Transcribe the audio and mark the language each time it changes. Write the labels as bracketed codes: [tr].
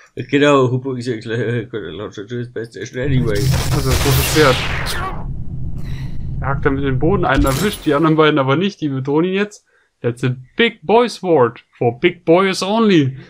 [en] Genau, who brings a grenade launcher to the space station anyway? [de] Also das große Schwert. Er hackt damit den Boden, einen erwischt, die anderen beiden aber nicht, die bedrohen ihn jetzt. [en] That's a big boy's sword, for big boys only.